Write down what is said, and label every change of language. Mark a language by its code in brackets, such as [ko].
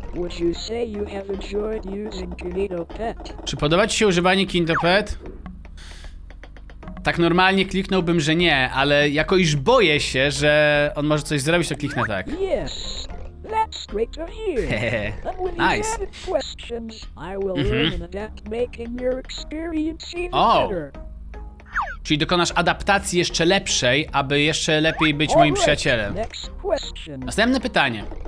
[en] Would you say you have enjoyed using Kinito Pet? [pl] Czy podoba ci się używanie Kinito Pet? Tak normalnie kliknąłbym, że nie, ale jako iż boję się, że on może coś zrobić, to kliknę tak. [en] Yes. That's great to hear. Nice. Added questions, I will learn and adapt, making your experience even better. [pl] Czyli dokonasz adaptacji jeszcze lepszej, aby jeszcze lepiej być moim przyjacielem. Następne pytanie.